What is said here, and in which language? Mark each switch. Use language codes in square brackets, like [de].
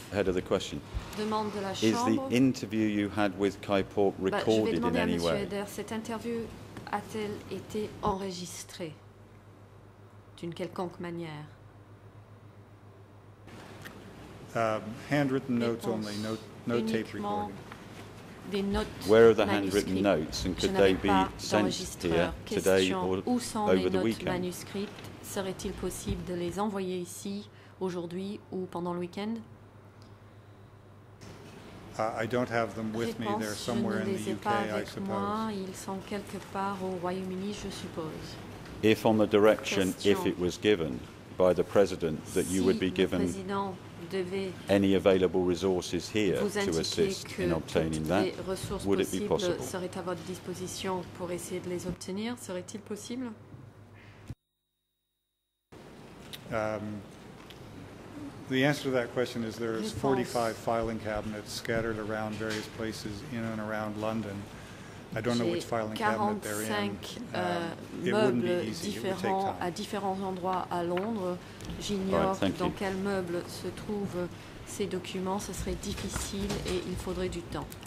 [en] Head of the question, is the interview you had with Kai Pork recorded in any way? [fr] Cette interview a-t-elle été enregistrée d'une quelconque manière? [en] Handwritten notes only, no tape recording. Where are the handwritten notes, and could they be sent here today or over the weekend? [fr] Manuscrits serait-il possible de les envoyer ici aujourd'hui ou pendant le weekend? [en] I don't have them with me. They're somewhere in the UK, I suppose. [fr] Moi, ils sont quelque part au Royaume-Uni, je suppose. [en] If on the direction, if it was given by the President, that you would be given any available resources here to assist in obtaining that, would it be possible? [fr] Serait à votre disposition pour essayer de les obtenir, serait-il possible? [en] The answer to that question is there is 45 filing cabinets scattered around various places in and around London. I don't know which filing cabinet they're in. It wouldn't be easy. It would take time. [fr] À différents endroits à Londres. J'ignore dans quel meuble se trouvent ces documents. Ce serait difficile et il faudrait du temps.